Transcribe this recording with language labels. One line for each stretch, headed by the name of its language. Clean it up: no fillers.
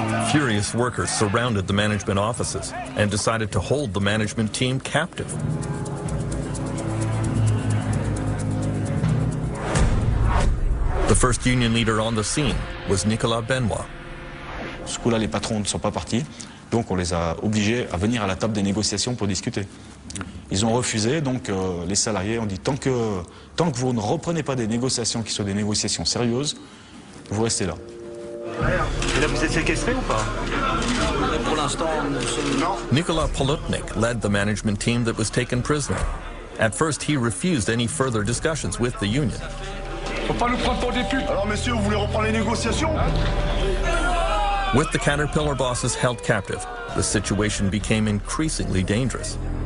English: Furious workers surrounded the management offices and decided to hold the management team captive. The first union leader on the scene was Nicolas Benoit.
French: Ce coup-là, les patrons ne sont pas partis, donc on les a obligés à venir à la table des négociations pour discuter. Ils ont refusé, donc les salariés ont dit tant que vous ne reprenez pas des négociations qui soient des négociations sérieuses, vous restez là. Et là, vous êtes séquestré ou pas? Et pour l'instant, non.
English: Nicolas Polutnik led the management team that was taken prisoner. At first, he refused any further discussions with the union.
French: Faut pas nous prendre pour des putes. Alors, messieurs, vous voulez reprendre les négociations?
English: With the Caterpillar bosses held captive, the situation became increasingly dangerous.